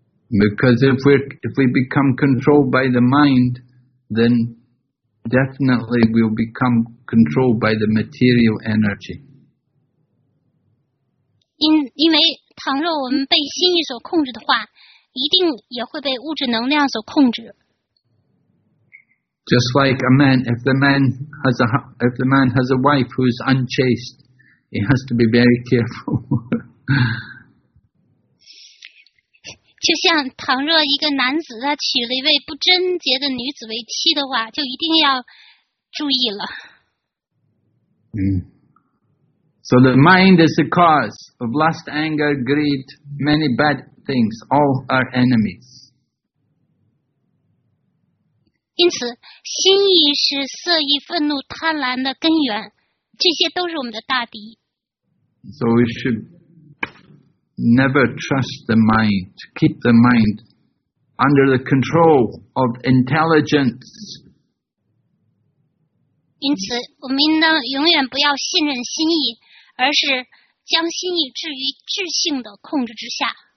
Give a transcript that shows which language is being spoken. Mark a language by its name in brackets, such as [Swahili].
[English] Because if we become controlled by the mind, then definitely we'll become controlled by the material energy. [Chinese] 因为倘若我们被心意所控制的话，一定也会被物质能量所控制。 [English] Just like a man, if the man has a wife who is unchaste, he has to be very careful. [Chinese] 就像倘若一个男子他娶了一位不贞洁的女子为妻的话，就一定要注意了。 [English] So the mind is the cause of lust, anger, greed, many bad things. All are enemies. [Chinese] 因此，心意是色欲、愤怒、贪婪的根源，这些都是我们的大敌。 [English] So we should never trust the mind, keep the mind under the control of intelligence. [Chinese] 因此，我们应当永远不要信任心意，而是将心意置于智性的控制之下。